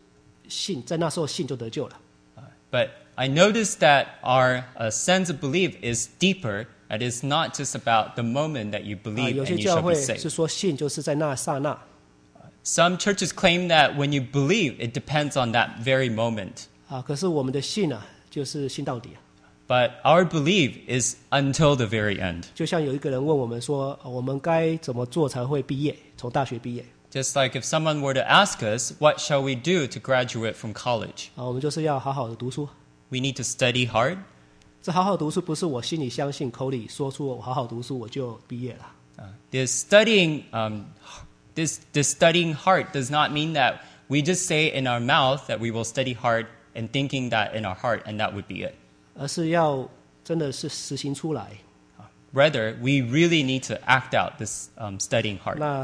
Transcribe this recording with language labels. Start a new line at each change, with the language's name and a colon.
Chinese: 可是我发觉到，这个信呢，我们内涵的比较深，不是说像他们所说的，就是信，在那时候信就得救了。
English: But I noticed that our sense of belief is deeper, and it's not just about the moment that you believe and you shall be saved.
Chinese: 有些教会是说信就是在那刹那。
English: Some churches claim that when you believe, it depends on that very moment.
Chinese: 可是我们的信就是信到底。
English: But our belief is until the very end.
Chinese: 就像有一个人问我们说，我们该怎么做才会毕业，从大学毕业。
English: Just like if someone were to ask us, what shall we do to graduate from college?
Chinese: 我们就是要好好的读书。
English: We need to study hard.
Chinese: 这好好读书不是我心里相信口里说出我好好读书我就毕业了。
English: This studying, this studying heart does not mean that we just say in our mouth that we will study hard and thinking that in our heart, and that would be it.
Chinese: 而是要真的是实行出来。
English: Rather, we really need to act out this studying heart.